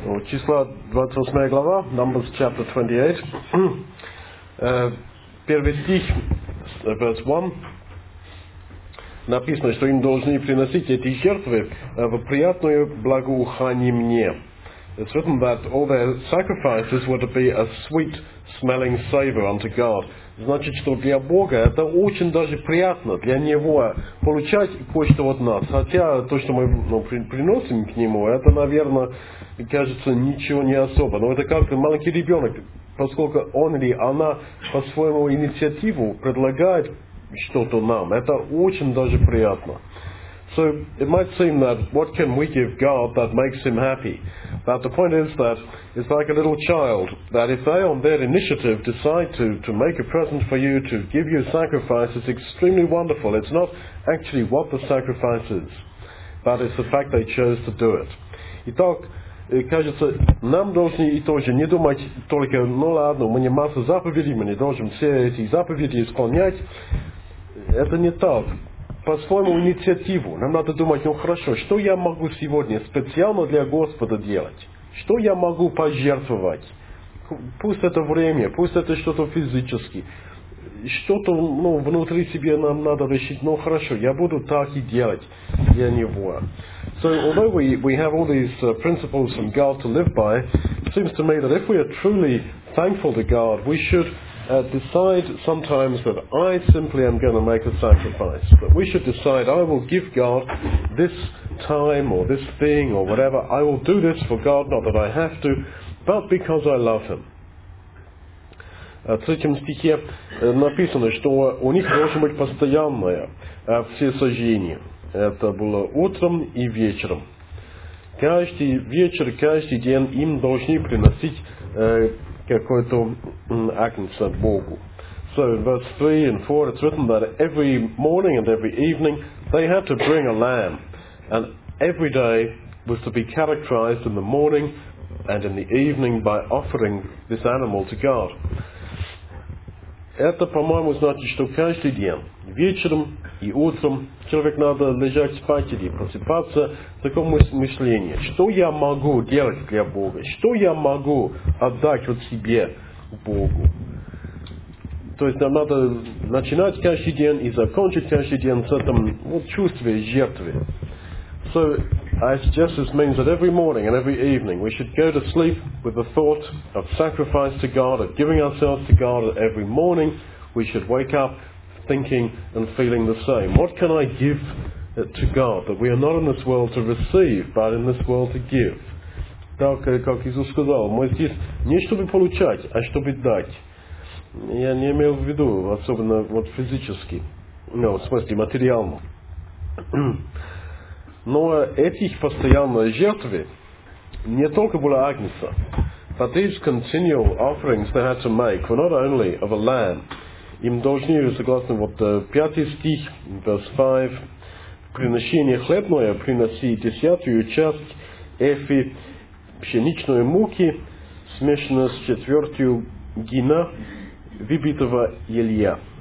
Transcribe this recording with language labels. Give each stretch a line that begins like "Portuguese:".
Russian: числа 28 глава,
English: Numbers chapter 28,
Russian: первый стих,
English: verse 1,
Russian: написано, что им должны приносить эти жертвы в приятное благоухание мне.
English: It's written that all their sacrifices were to be a sweet smelling savor unto God.
Russian: Значит, что для Бога это очень даже приятно, для Него получать кое-что от нас. Хотя то, что мы приносим к Нему, это, наверное, кажется, ничего не особо. Но это как маленький ребенок, поскольку он или она по своему инициативу предлагает что-то нам. Это очень даже приятно.
English: So it might seem that what can we give God that makes Him happy? But the point is that it's like a little child, that if they on their initiative decide to make a present for you, to give you a sacrifice, it's extremely wonderful. It's not actually what the sacrifice is, but it's the fact they chose to do it.
Russian: Итак, кажется, нам должны и тоже не думать только, ну ладно, мы не масса заповедей, мы не должны все эти заповеди исполнять. Это не так. По своему инициативу. Нам надо думать, ну хорошо, что я могу сегодня специально для Господа делать? Что я могу пожертвовать? Пусть это время, пусть это что-то физически. Что-то внутри себя нам надо решить. Ну хорошо, я буду так и делать для Него.
English: So although we have all these principles from God to live by, it seems to me that if we are truly thankful to God, we should decide sometimes that I simply am going to make a sacrifice. But we should decide, I will give God this time or this thing or whatever. I will do this for God, not that I have to, but because I love Him.
Russian: В третьем стихе написано, что у них должно быть постоянное всесожжение. Это было утром и вечером. Каждый вечер, каждый день им должны приносить какой-то агнец Богу.
English: So in verse 3 and 4 it's written that every morning and every evening they had to bring a lamb, and every day was to be characterized in the morning and in the evening by offering this animal to God.
Russian: Это, по-моему, значит, что каждый день, вечером и утром, человек надо лежать спать или просыпаться в таком мышлении. Что я могу делать для Бога? Что я могу отдать от себя Богу? То есть нам надо начинать каждый день и закончить каждый день с этим чувством жертвы.
English: So I suggest this means that every morning and every evening we should go to sleep with the thought of sacrifice to God, of giving ourselves to God. Every morning we should wake up thinking and feeling the same. What can I give to God that we are not in this world to receive, but in this world to give?
Russian: Так, как Иисус сказал, мы здесь не чтобы получать, а чтобы дать. Я не имел в виду, особенно физически, в смысле материально. Но этих постоянных жертв не только было агнца.
English: But these continual offerings they had to make were not only of a lamb.
Russian: Им должны, согласно пятый стих,
English: verse 5,
Russian: приношение хлебное приноси десятую часть эфи пшеничной муки, смешанную с четвертью гина выбитого елея.